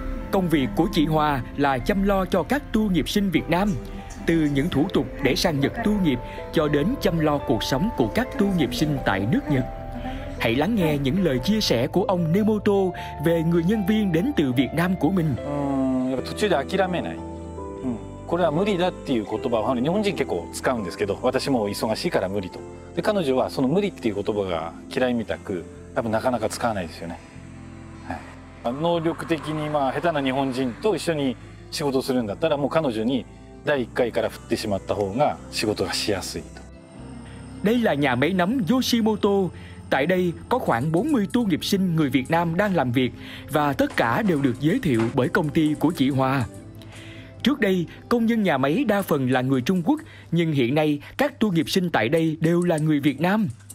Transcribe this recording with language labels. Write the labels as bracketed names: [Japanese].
[Vietnamese] Công việc của chị Hoa là chăm lo cho các tu nghiệp sinh Việt Nam. Từ những thủ tục để sang Nhật tu nghiệp cho đến chăm lo cuộc sống của các tu nghiệp sinh tại nước Nhật. Hãy lắng nghe những lời chia sẻ của ông Nemoto về người nhân viên đến từ Việt Nam của mình. [Japanese] 途中で諦めないこれは無理だっていう言葉を日本人結構使うんですけど、私も忙しいから無理と。で彼女はその無理っていう言葉が嫌いみたく、多分なかなか使わないですよね、はい、能力的にまあ下手な日本人と一緒に仕事するんだったら、もう彼女に第一回から振ってしまった方が仕事がしやすいと。 [Vietnamese] Đây là nhà máy nấm Yoshimoto. Tại đây có khoảng 40 tu nghiệp sinh người Việt Nam đang làm việc và tất cả đều được giới thiệu bởi công ty của chị Hoa. Trước đây, công nhân nhà máy đa phần là người Trung Quốc, nhưng hiện nay các tu nghiệp sinh tại đây đều là người Việt Nam.